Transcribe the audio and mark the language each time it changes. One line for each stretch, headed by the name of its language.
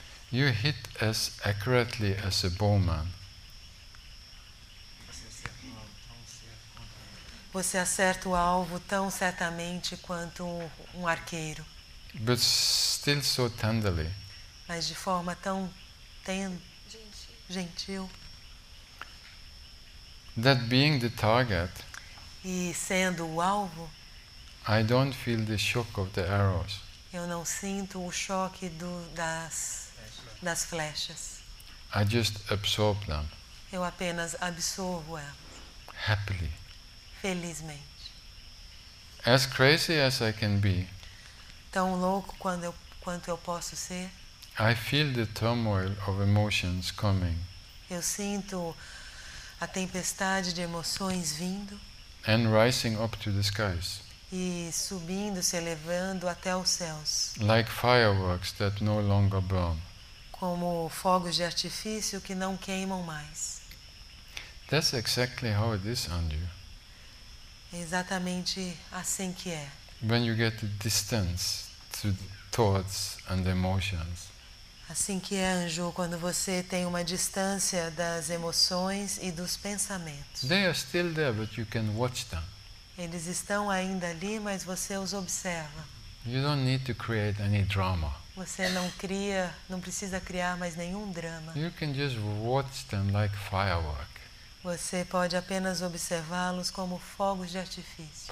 English: You hit as accurately as a bowman.
Portuguese: Você acerta o alvo tão certamente quanto um arqueiro.
English: But still so tenderly.
Portuguese: Mas de forma tão gentil.
English: That being the target.
Portuguese: E sendo o alvo.
English: I don't feel the shock of the arrows.
Portuguese: Eu não sinto o choque das flechas.
English: I just absorb them.
Portuguese: Eu apenas absorvo elas.
English: Happily.
Portuguese: Felizmente.
English: As crazy as I can be.
Portuguese: Tão louco quanto eu posso ser.
English: I feel the turmoil of emotions coming.
Portuguese: Eu sinto a tempestade de emoções vindo.
English: And rising up to the skies.
Portuguese: E subindo, se elevando até os céus.
English: Like fireworks that no longer burn.
Portuguese: Como fogos de artifício que não queimam mais.
English: That's exactly how it is, Andrew.
Portuguese: Exatamente assim que é.
English: When you get the distance to the thoughts and emotions.
Portuguese: Assim que é, Anjo, quando você tem uma distância das emoções e dos pensamentos.
English: They are still there, but you can watch them.
Portuguese: Eles estão ainda ali, mas você os observa.
English: You don't need to create any drama.
Portuguese: Você não precisa criar mais nenhum drama.
English: You can just watch them like firework.
Portuguese: Você pode apenas observá-los como fogos de artifício.